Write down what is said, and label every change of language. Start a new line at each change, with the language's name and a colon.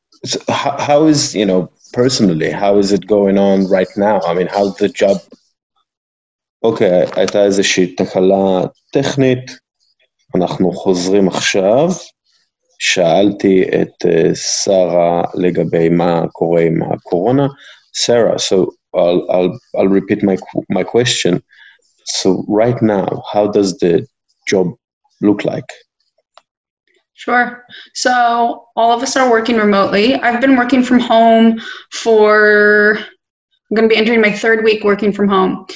English: So how is, you know, personally, how is it going on right now? I mean, how's the job?
Hebrew: Okay, הייתה איזושהי תקלה טכנית. אנחנו חוזרים עכשיו. שאלתי את שרה לגבי מה קורה עם הקורונה.
English: Sarah, so I'll repeat my question. So right now, how does the job look like? Sure. So all of us are working remotely. I've been working from home for, I'm going to be entering my third week working from home.